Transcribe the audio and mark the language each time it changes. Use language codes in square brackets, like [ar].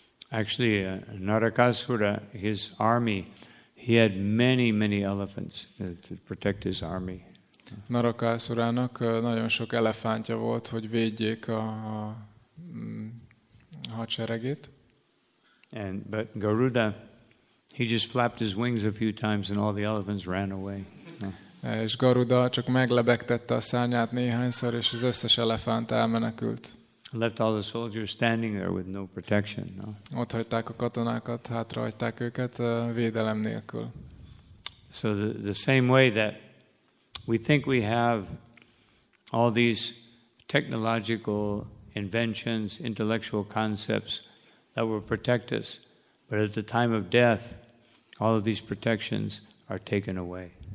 [en] Actually, Narakasura, his army, he had many, many elephants to protect his army. [hu] Narakasurának nagyon sok elefántja volt, hogy védjék a hadseregét. [en] But Garuda, he just flapped his wings a few times and all the elephants ran away. [hu] És Garuda csak meglebegtette a szárnyát néhányszor, és az összes elefánt elmenekült. [en] Left all the soldiers standing there with no protection. No? [hu] Ott hagyták a katonákat, hátra hagyták őket védelem nélkül. [en] So the same way that we think we have all these technological inventions, intellectual concepts that will protect us. But at the time of death, all of these protections are taken away.